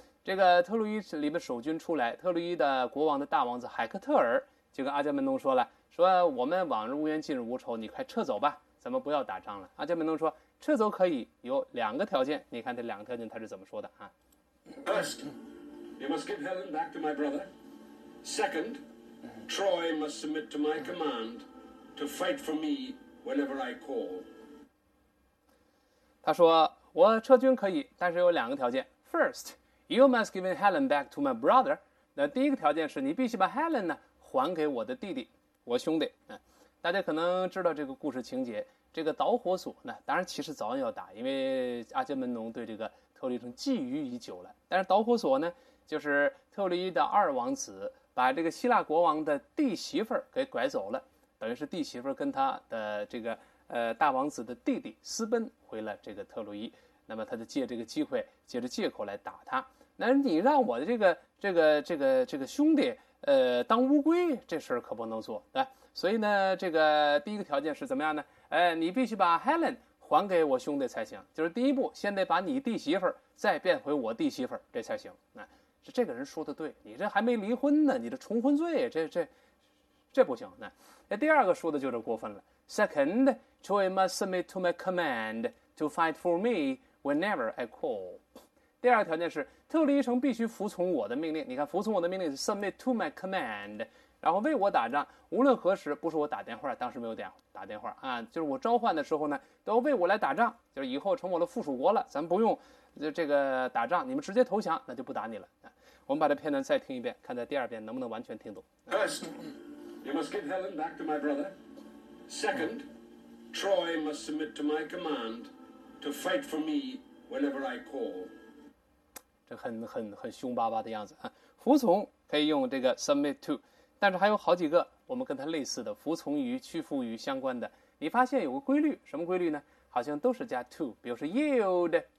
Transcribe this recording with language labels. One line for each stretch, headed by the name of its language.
Chinese: 这个特洛伊里面守军出来，特洛伊的国王的大王子海克特尔就跟阿伽门农说了，说我们往日无冤，近日无仇，你快撤走吧，咱们不要打仗了。阿伽门农说撤走可以，有两个条件。你看这两个条件他是怎么说的啊？
English: You must give Helen back to my brother. Second, Troy must submit to my command to fight for me whenever I call.
Chinese: 他说我撤军可以，但是有两个条件。
English: First, you must give Helen back to my brother.
Chinese: 那第一个条件是你必须把 Helen 呢还给我的弟弟，我兄弟。大家可能知道这个故事情节，这个导火索呢，当然其实早晚要打，因为阿伽门农对这个特洛伊城觊觎已久了。但是导火索呢？就是特洛伊的二王子把这个希腊国王的弟媳妇给拐走了，等于是弟媳妇跟他的这个大王子的弟弟私奔回了这个特洛伊，那么他就借这个机会，借着借口来打他。那你让我的这个兄弟当乌龟，这事儿可不能做，对。所以呢，这个第一个条件是怎么样呢？你必须把 Helen 还给我兄弟才行，就是第一步，先得把你弟媳妇再变回我弟媳妇，这才行。这个人说的对，你这还没离婚呢，你这重婚罪，这不行。那第二个说的就是过分了。
English: Second, Troy must submit to my command to fight for me whenever I call.
Chinese: 第二个条件是特洛伊城必须服从我的命令。你看，服从我的命令是 submit to my command， 然后为我打仗，无论何时，不是我打电话，当时没有打电话啊，就是我召唤的时候呢，都为我来打仗，就是以后成我的附属国了，咱不用。这个打仗，你们直接投降，那就不打你了。我们把这片段再听一遍，看在第二遍能不能完全听懂。
English: First, you must give Helen back to my brother. Second, Troy must submit to my command to fight for me whenever I call.
Chinese: 这很凶巴巴的样子啊！服从可以用这个 submit to， 但是还有好几个我们跟它类似的服从于、屈服于相关的。你发现有个规律，什么规律呢？好像都是加 to， 比如说 yield。